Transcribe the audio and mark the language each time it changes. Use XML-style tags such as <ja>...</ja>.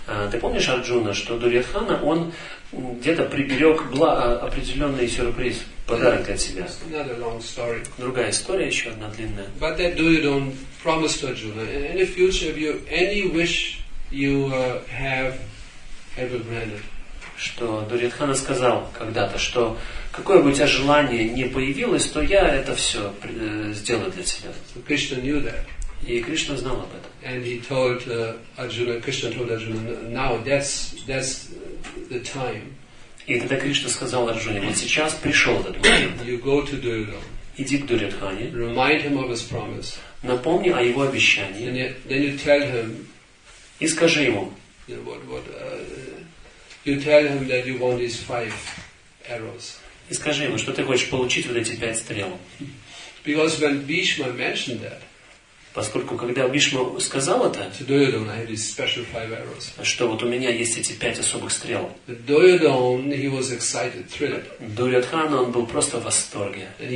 <ru>Ты помнишь, Арджуна, что Дурьядхана, он где-то приберег определенный сюрприз, подарок от себя.</ru> <en>Another long story.</en> <ru>Другая история, еще одна длинная.</ru> <en>But that Duryodhana promised Arjuna, in the future, if you any wish you have ever granted.</en> <ru>Что Дурьядхана сказал когда-то, что какое бы у тебя желание ни появилось, то я это все сделаю для тебя.</ru> <en>So Krishna knew that.</en> <ru>И Кришна знал об этом.</ru> <en>And he told Arjuna, Krishna told Arjuna, now that's the time.</en> <ru>И тогда Кришна сказал Арджуне, вот сейчас пришел этот момент.</ru> <en>You go to Duryodhana.</en> <ru>Иди к Дурьядхане.</ru> <en>Remind him of his promise.</en> <ru>Напомни о его обещании.</ru> <en>And then you tell him.</en> <ru>И скажи ему.</ru> <en>You know, what you tell him that you want these five arrows.</en> <ru>И скажи ему, что ты хочешь получить вот эти пять стрел.</ru> <en>Because when Bhishma mentioned that.</en> <ru>Поскольку, когда Бишма сказал это, что вот у меня есть эти пять особых стрел, Дурьядхана, он был просто в восторге.</ru>